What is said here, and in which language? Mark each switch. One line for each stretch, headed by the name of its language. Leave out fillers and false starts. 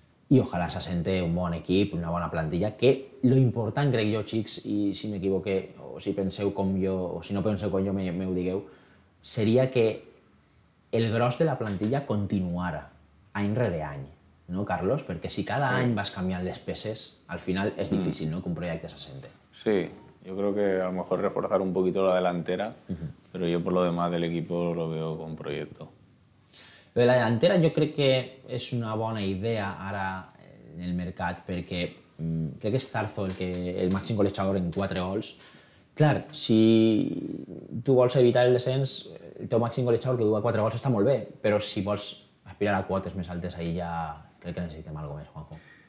Catalan: i ojalà s'assente un bon equip, una bona plantilla, que lo important, crec jo, xics, i si m'equivoque o si penseu com jo, o si no penseu com jo, me ho digueu, seria que el gros de la plantilla continuara any rere any, no, Carlos? Perquè si cada any vas canviant les peces, al final és difícil, no?, que un projecte s'assente.
Spanish: Sí, yo creo que a lo mejor reforzar un poquito la delantera, pero yo por lo demás del equipo lo veo con proyecto.
Catalan: De la delantera jo crec que és una bona idea ara en el mercat, perquè crec que és Zarzo el màxim golejador en 4 gols. Clar, si tu vols evitar el descens, el teu màxim golejador que duga 4 gols està molt bé, però si vols aspirar a quotes més altes, ahir ja crec que necessitem alguna cosa més, Juanjo.